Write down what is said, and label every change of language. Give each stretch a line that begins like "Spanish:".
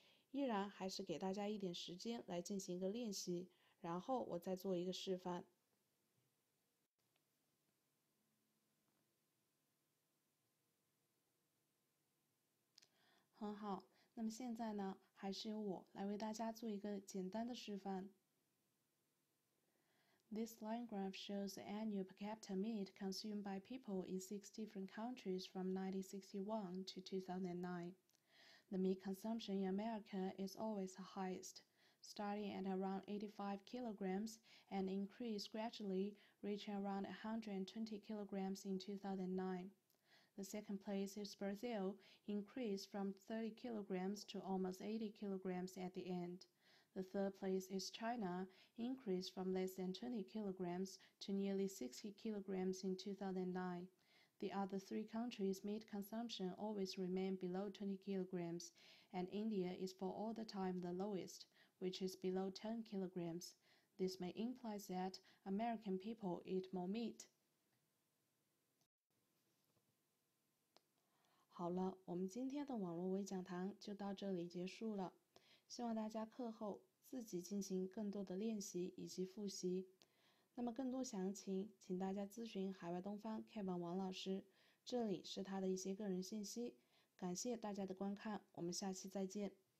Chinese: 依然还是给大家一点时间来进行一个练习，然后我再做一个示范。很好，那么现在呢，还是由我来为大家做一个简单的示范。
English: This line graph shows the annual per capita meat consumed by people in 6 different countries from 1961 to 2009. The meat consumption in America is always the highest, starting at around 85 kilograms and increased gradually, reaching around 120 kilograms in 2009. The second place is Brazil, increased from 30 kilograms to almost 80 kilograms at the end. The third place is China, increased from less than 20 kilograms to nearly 60 kilograms in 2009. The other three countries' meat consumption always remain below 20 kilograms, and India is for all the time the lowest, which is below 10 kilograms. This may imply that American people eat more meat.
Chinese: 好了，我们今天的网络微讲堂就到这里结束了。希望大家课后自己进行更多的练习以及复习。那么更多详情请大家咨询海外东方 Kevin 王老师，这里是他的一些个人信息。感谢大家的观看，我们下期再见。